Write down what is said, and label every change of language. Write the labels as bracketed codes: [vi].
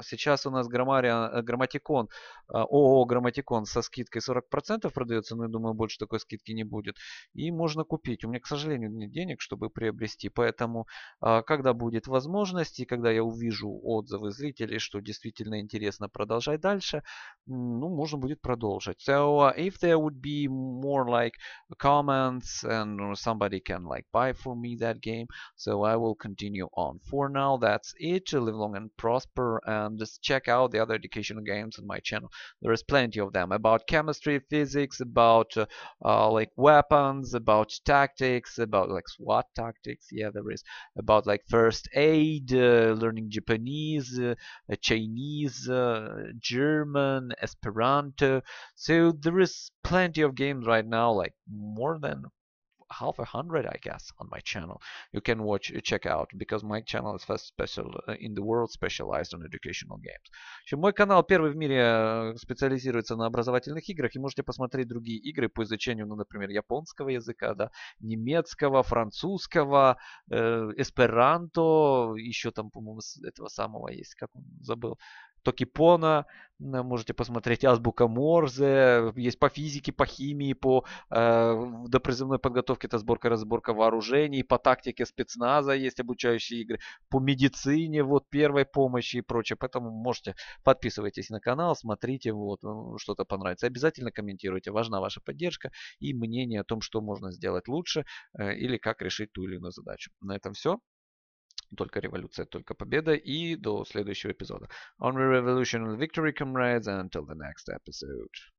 [ru] Сейчас у нас грамматикон, ООО грамматикон со скидкой 40% продается, но я думаю, больше такой скидки не будет. И можно купить. У меня, к сожалению, нет денег, чтобы приобрести. Поэтому, когда будет возможность, и когда я увижу отзывы зрителей, что действительно интересно продолжать дальше, ну, можно будет продолжить. [en] So, if there would be more, like, comments, and somebody can, like, buy for me that game, so I will continue on. For now, that's it. Live long and prosper, and just check out the other educational games on my channel. There is plenty of them about chemistry, physics, about like weapons, about tactics, about like SWAT tactics. Yeah, there is about like first aid, learning Japanese, Chinese, German, Esperanto. So there is plenty of games right now, like more than 50, I guess, on my channel. You can watch, check out, because my channel is first special in the world specialized on educational games. [ru] Мой канал первый в мире специализируется на образовательных играх, и можете посмотреть другие игры по изучению, ну, например, японского языка, да, немецкого, французского, эсперанто, еще там, по-моему, этого самого есть, как он забыл, токипона. Можете посмотреть азбука Морзе, есть по физике, по химии, по допризывной подготовке, это сборка-разборка вооружений, по тактике спецназа есть обучающие игры, по медицине, вот, первой помощи и прочее. Поэтому можете подписывайтесь на канал, смотрите, вот, что-то понравится. Обязательно комментируйте, важна ваша поддержка и мнение о том, что можно сделать лучше или как решить ту или иную задачу. На этом все. Только революция, только победа. И до следующего эпизода. [en] Only revolution and victory, comrades, until the next episode.